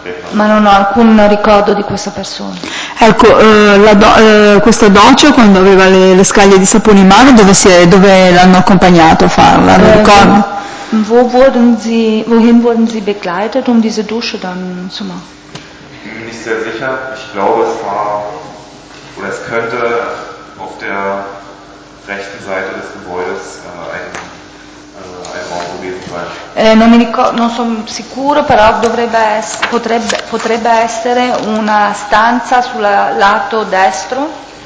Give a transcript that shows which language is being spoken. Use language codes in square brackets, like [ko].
[it] Ma non ho alcun ricordo di questa persona. Ecco, questa doccia quando aveva le scaglie di sapone in mano, dove l'hanno accompagnato a farla, non ricordo. [de] Wohin wurden Sie begleitet, um diese Dusche dann zu machen? Nicht sehr sicher. Ich glaube, es war, oder es könnte auf der rechten Seite des Gebäudes ein Raum gewesen sein. [it] Non mi ricordo, non sono sicuro, però potrebbe essere una stanza sul lato destro.